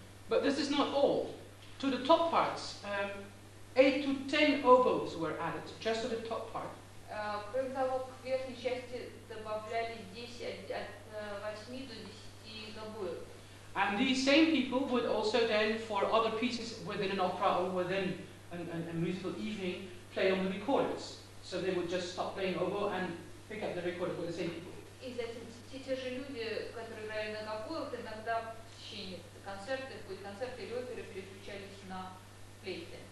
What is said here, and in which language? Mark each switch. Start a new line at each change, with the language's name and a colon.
English: But this is not all. To the top parts, 8 to 10 oboes were added, just to the top part.
Russian: Кроме того, к верхней части добавляли 8 до 10 гобоев.
English: And these same people would also then, for other pieces within an opera or within a musical evening, play on the recorders. So they would just stop playing oboe and pick up the recorder with the same people.
Russian: И затем те же люди, которые играли на гобоях, иногда в течение концерта, будь концерты или оперы, переключались на флейты.